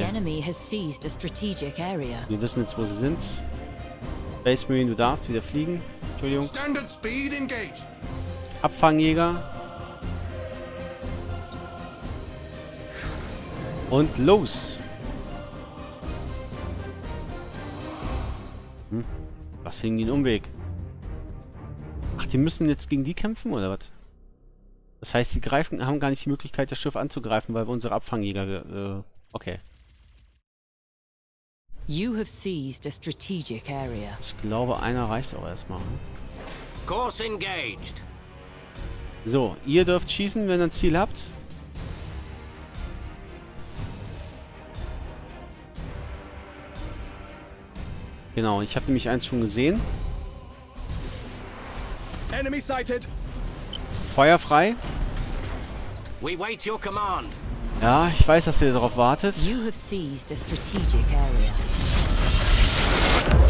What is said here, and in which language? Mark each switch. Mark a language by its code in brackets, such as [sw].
[en] The enemy has seized a strategic area. [de] Wir wissen jetzt, wo sie sind. Space Marine, du darfst wieder fliegen. Entschuldigung. [en] Standard speed engage. [de] Abfangjäger. Und los. Was fing den Umweg? Ach, die müssen jetzt gegen die kämpfen, oder was? Das heißt, die greifen, haben gar nicht die Möglichkeit, das Schiff anzugreifen, weil wir unsere Abfangjäger... okay. [en] You have seized a strategic area. [de] Ich glaube, einer reicht auch erstmal. [en] Course engaged. [de] So, ihr dürft schießen, wenn ihr ein Ziel habt. Genau, ich habe nämlich eins schon gesehen. [en] Enemy sighted. [de] Feuer frei. [en] We wait your command. [de] Ja, ich weiß, dass ihr darauf wartet. [en] You have seized a strategic area.